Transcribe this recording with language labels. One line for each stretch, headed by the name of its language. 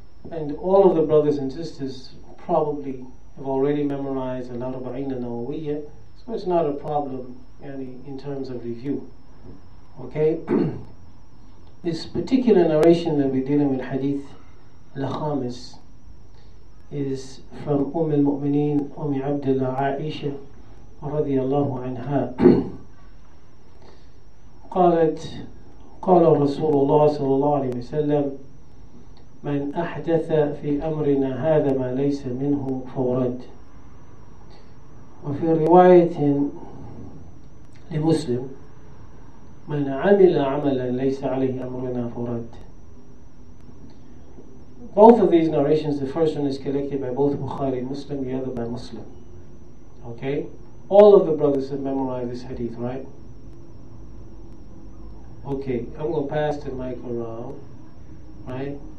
English: And all of the brothers and sisters probably have already memorized a lot of Arba'een An-Nawawiyya, so it's not a problem in terms of review. Okay? This particular narration that we're dealing with, hadith al-Khamis, is from Umm al-Mu'mineen, Umm Abdullah Aisha radiallahu anha.
Arabic: قال رسول الله صلى الله عليه وسلم من أحدث في أمرنا هذا ما ليس منه فورد. وفي رواية لمسلم من عمل عملا ليس عليه أمرنا فورد.
English: Both of these narrations, the first one is collected by both Bukhari and Muslim, the other by Muslim. Okay? All of the brothers have memorized this hadith, right? Okay, I'm going to pass the mic around, right?